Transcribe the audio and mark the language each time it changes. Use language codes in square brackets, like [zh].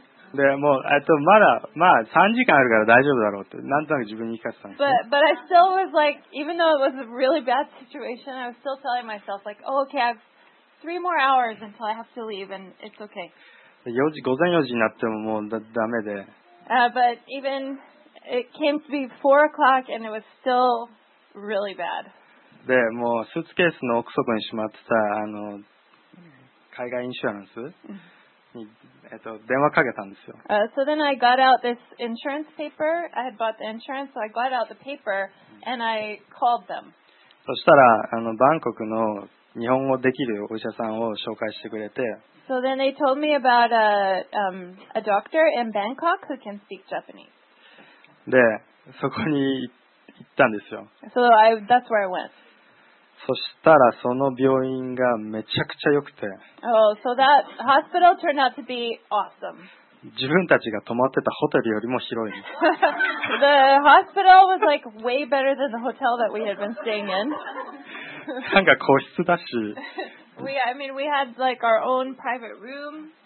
[ja] で、もう、まだ、まあ、3時間あるから大丈夫だろうって、なんとなく自分に言い聞かせたんですよ。 [en] But I still was like, even though it was a really bad situation, I was still telling myself, like, oh, okay, I have 3 more hours until I have to leave, and it's okay. [ja] 4時、午前4時になってももうダメで。 [en] But even, it came to be 4 o'clock, and it was still really bad. [ja] で、もう、スーツケースの奥底にしまってた、海外インシュアランス。電話かけたんですよ。 [en] So then I got out this insurance paper. I had bought the insurance, so I got out the paper and I called them. [ja] そしたら、バンコクの日本語できるお医者さんを紹介してくれて。 [en] So then they told me about a doctor in Bangkok who can speak Japanese. [ja] で、そこに行ったんですよ。 [en] So that's where I went. [ja] そしたらその病院がめちゃくちゃ良くて。 [en] Oh, so that hospital turned out to be awesome. [ja] 自分たちが泊まってたホテルよりも広い。 [en] The hospital was like way better than the hotel that we had been staying in. [ja] なんか個室だし。 [en] we had like our own private room.